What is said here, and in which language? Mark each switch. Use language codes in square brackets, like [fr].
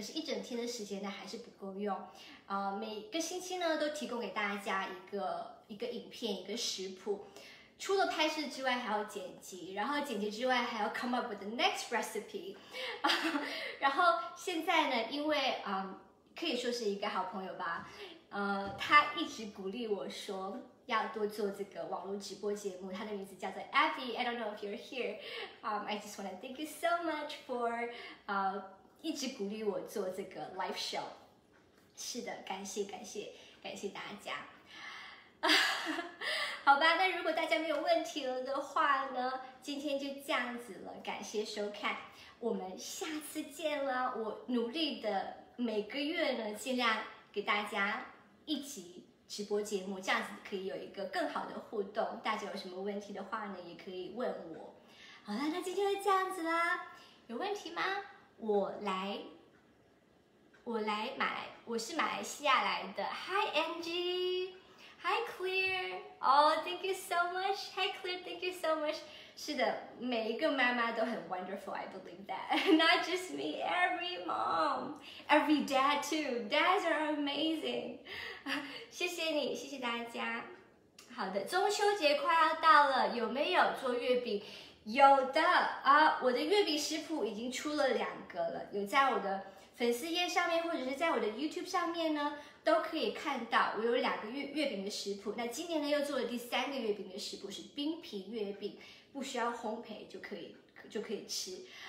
[zh] 可是，一整天的时间呢，还是不够用。每个星期呢，都提供给大家一个影片，一个食谱。除了拍摄之外，还要剪辑，然后剪辑之外还要 [en] come up with the next recipe。 [zh] 然后现在呢，因为可以说是一个好朋友吧。他一直鼓励我说要多做这个网络直播节目，他的名字叫做 Abby， [en] I don't know if you're here， I just want to thank you so much for [zh] 一直鼓励我做这个 live show。是的，感谢感谢感谢大家。好吧，那如果大家没有问题了的话呢，今天就这样子了，感谢收看，我们下次见了。我努力的每个月呢尽量给大家一起直播节目，这样子可以有一个更好的互动，大家有什么问题的话呢也可以问我。好了，那今天就这样子啦，有问题吗？我是马来西亚来的。 [en] Hi Angie， Hi Claire， Oh thank you so much， Hi Claire thank you so much。 [zh] 是的，每一个妈妈都很 [en] wonderful， I believe that， Not just me， Every mom， Every dad too， Dads are amazing。 [zh] 谢谢你，谢谢大家。好的，中秋节快要到了，有没有做月饼？有的啊，我的月饼食谱已经出了两个了，有在我的粉丝页上面，或者是在我的 YouTube 上面呢，都可以看到我有两个月饼的食谱。那今年呢，又做了第三个月饼的食谱，是冰皮月饼，不需要烘焙就可以吃。